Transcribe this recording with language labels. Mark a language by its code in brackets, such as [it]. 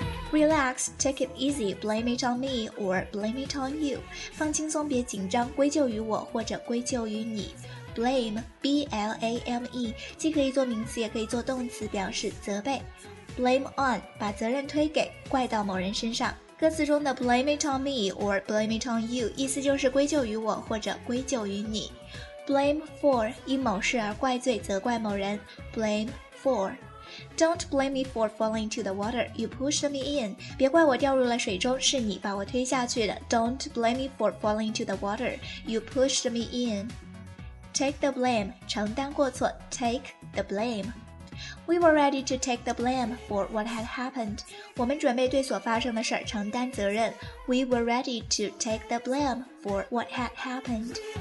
[en] Relax, take it easy, blame it on me or blame it on you. [zh] 放轻松别紧张归咎于我或者归咎于你。 Blame, B-L-A-M-E, 既可以做名词也可以做动词表示责备。 Blame on, 把责任推给怪到某人身上。歌词中的 [en] blame it on me or blame it on you, [zh] 意思就是归咎于我或者归咎于你。 Blame for, 因某事而怪罪责怪某人。 [en] Blame for. Don't blame me for falling into the water. You pushed me in. [zh] 别怪我掉入了水中，是你把我推下去的。 [en] Don't blame me for falling into the water. You pushed me in. Take the blame. [zh] 承担过错。 [en] Take the blame. We were ready to take the blame for what had happened. [zh] 我们准备对所发生的事承担责任。 [en] We were ready to take the blame for what had happened.